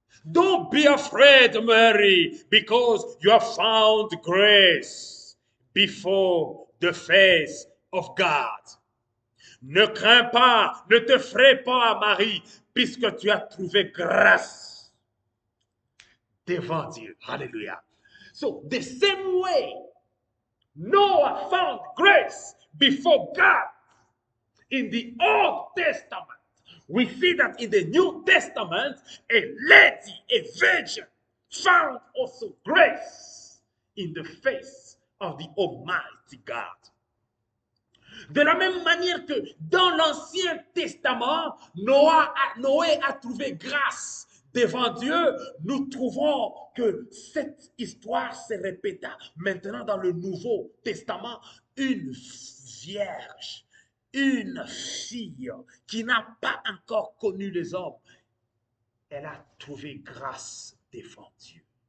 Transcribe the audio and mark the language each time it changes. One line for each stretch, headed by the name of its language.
English: Don't be afraid, Mary, because you have found grace before the face of God.
French: Ne crains pas, ne te frais pas, Marie, puisque tu as trouvé grâce devant Dieu. Hallelujah.
English: So, the same way Noah found grace before God in the Old Testament, we see that in the New Testament, a lady, a virgin, found also grace in the face of the Almighty God.
French: De la même manière que dans l'Ancien Testament, Noé a trouvé grâce devant Dieu, nous trouvons que cette histoire se répéta maintenant dans le Nouveau Testament. Une vierge, une fille qui n'a pas encore connu les hommes, elle a trouvé grâce devant Dieu.